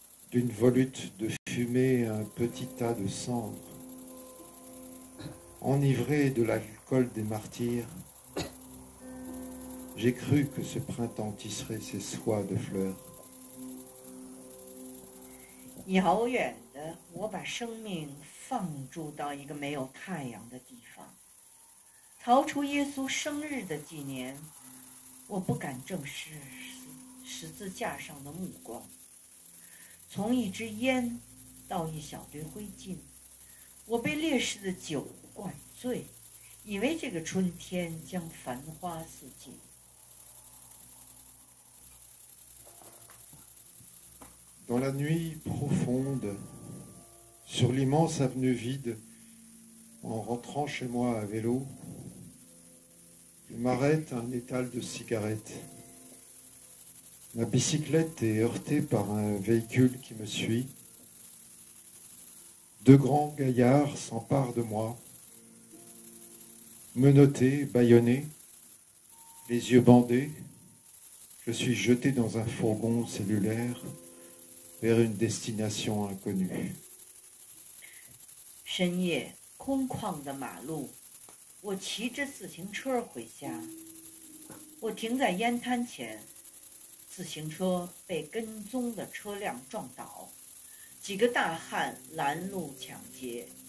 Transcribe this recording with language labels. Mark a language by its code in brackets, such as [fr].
[fr] D'une volute de fumée, un petit tas de cendres. Enivré de l'alcool des martyrs, j'ai cru que ce printemps tisserait ses soies de fleurs. [zh] 遥远的，我把生命放逐到一个没有太阳的地方，逃出耶稣生日的纪念。我不敢正视十字架上的目光，从一支烟到一小堆灰烬，我被烈士的酒灌醉，以为这个春天将繁花似锦。 [fr] Dans la nuit profonde, sur l'immense avenue vide, en rentrant chez moi à vélo, je m'arrête à un étal de cigarettes. Ma bicyclette est heurtée par un véhicule qui me suit. Deux grands gaillards s'emparent de moi, menottés, bâillonnés, les yeux bandés. Je suis jeté dans un fourgon cellulaire. Vers une destination inconnue. [zh] 深夜空旷的马路，我骑着自行车回家。我停在烟摊前，自行车被跟踪的车辆撞倒，几个大汉拦路抢劫。